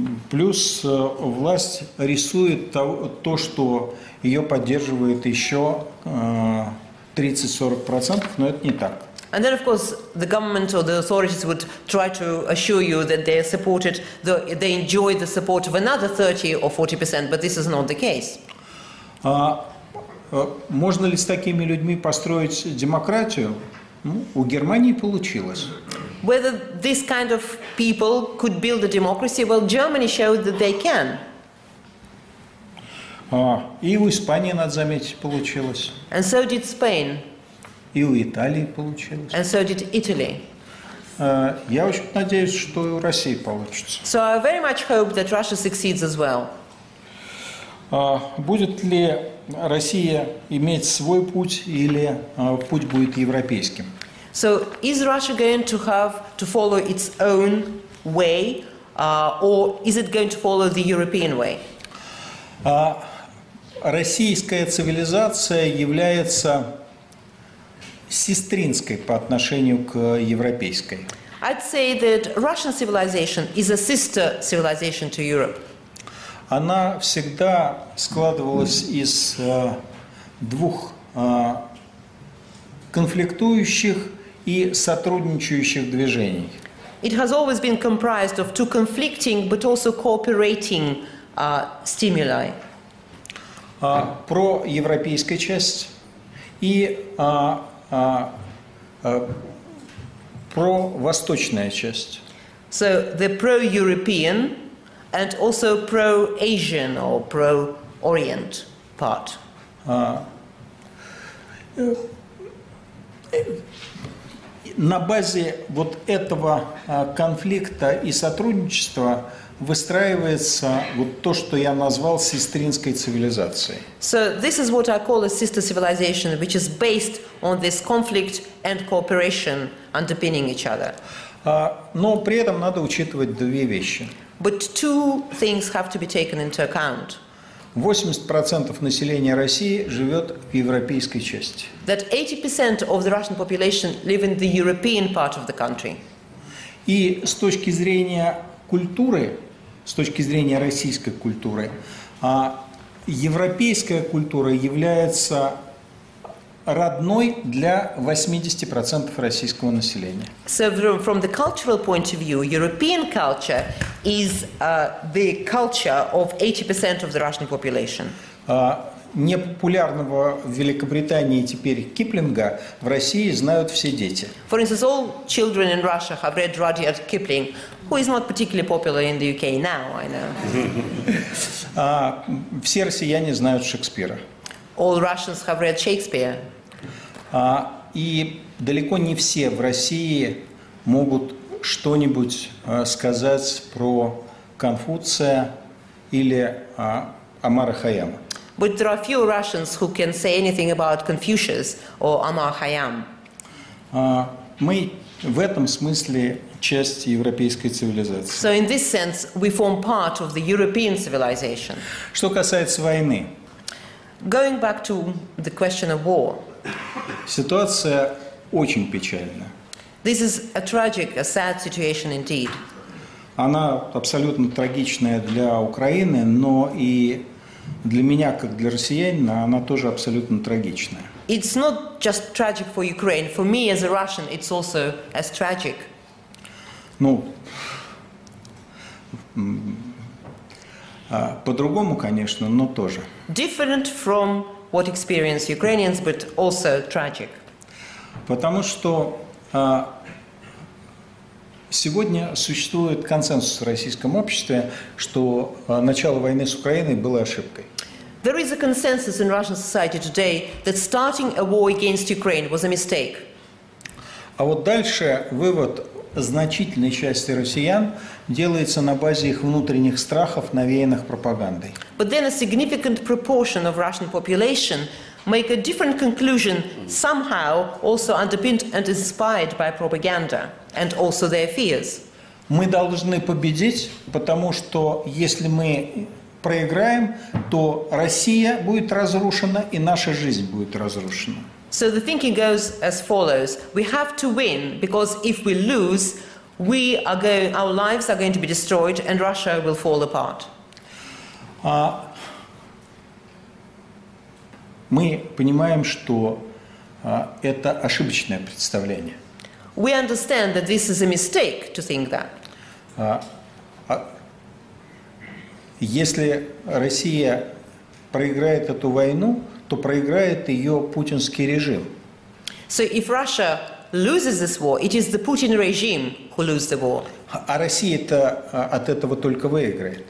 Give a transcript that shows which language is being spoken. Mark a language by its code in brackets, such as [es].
[ru] Плюс власть рисует то, что ее поддерживает еще 30-40%, но это не так. [en] And then, of course, the government or the authorities would try to assure you that they are supported, they enjoy the support of another 30-40%, but this is not the case. [ru] Можно ли с такими людьми построить демократию? У Германии получилось. [en] Whether this kind of people could build a democracy, well, Germany showed that they can. [ru] И у Испании, надо заметить, получилось. [en] And so did Spain. [ru] И у Италии получилось. [en] And so did Italy. [ru] Я очень надеюсь, что и у России получится. [en] So I very much hope that Russia succeeds as well. [ru] Будет ли Россия иметь свой путь или путь будет европейским? [en] So is Russia going to have to follow its own way, or is it going to follow the European way? [ru] Российская цивилизация является сестринской по отношению к европейской. [en] I'd say that Russian civilization is a sister civilization to Europe. [ru] Она всегда складывалась из двух конфликтующих и сотрудничающих движений. [en] It has always been comprised of two conflicting but also cooperating stimuli. [ru] Про европейская часть и про восточная часть. [en] So the pro-European and also pro-Asian or pro-Orient part. [ru] На базе вот этого конфликта и сотрудничества выстраивается вот то, что я назвал сестринской цивилизацией. [en] So this is what I call a sister civilization, which is based on this conflict and cooperation underpinning each other. [ru] Но при этом надо учитывать две вещи. [en] But two things have to be taken into account. [ru] 80% населения России живет в европейской части. [en] That 80% of the Russian population live in the European part of the country. [ru] И с точки зрения культуры, с точки зрения российской культуры, европейская культура является родной для 80% российского населения. [en] So from the cultural point of view, European culture is the culture of 80% of the Russian population. [ru] Непопулярного в Великобритании теперь Киплинга в России знают все дети. [en] For instance, all children in Russia have read Rudyard Kipling, who is not particularly popular in the UK now, I know. [ru] Все россияне знают Шекспира. [en] All Russians have read Shakespeare. [ru] И далеко не все в России могут что-нибудь сказать про Конфуция или Омара Хайяма. [en] But there are few Russians who can say anything about Confucius or Omar Khayyam. [ru] Мы в этом смысле часть европейской цивилизации. [en] So in this sense, we form part of the European civilization. [ru] Что касается войны. [en] Going back to the question of war. [ru] Ситуация очень печальна. [en] This is a tragic, a sad situation indeed. [ru] Она абсолютно трагичная для Украины, но и для меня, как для россиянина, она тоже абсолютно трагичная. [en] It's not just tragic for Ukraine. For me, as a Russian, it's also as tragic. [ru] Ну, по-другому, конечно, но тоже. [en] Different from what experience Ukrainians, but also tragic. [ru] Потому что сегодня существует консенсус в российском обществе, что начало войны с Украиной было ошибкой. [en] There is a consensus in Russian society today that starting a war against Ukraine was a mistake. [ru] А вот дальше вывод значительной части россиян делается на базе их внутренних страхов, навеянных пропагандой. [en] But then a significant proportion of Russian population make a different conclusion, somehow also underpinned and inspired by propaganda and also their fears. [ru] Мы должны победить, потому что если мы проиграем, то Россия будет разрушена и наша жизнь будет разрушена. [en] So the thinking goes as follows: we have to win because if we lose, we are going, our lives are going to be destroyed and Russia will fall apart. [ru] Мы понимаем, что это ошибочное представление. [en] We understand that this is a mistake to think that. [ru] Если Россия проиграет эту войну, то проиграет ее путинский режим. [en] So if Russia loses this war, it is the Putin regime who loses the war. [ru] А Россия-то от этого только выиграет.